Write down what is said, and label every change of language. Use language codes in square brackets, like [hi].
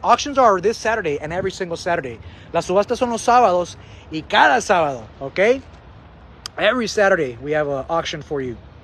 [en] Auctions are this Saturday and every single Saturday. [es] Las subastas son los sábados y cada sábado, okay? [en] Every Saturday, we have an auction for you.